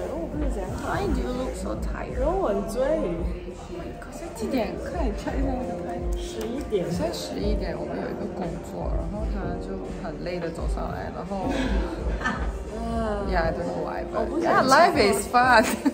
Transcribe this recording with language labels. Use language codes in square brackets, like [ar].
[en] Oh, please, why do you look so tired? Oh, I'm tired. Oh my god, [zh] 几点？快点 check 一下。十一点。现在11点，我们有一个工作，然后他就很累的走上来，然后。 [en] Yeah, I don't know why, but yeah, life is fun.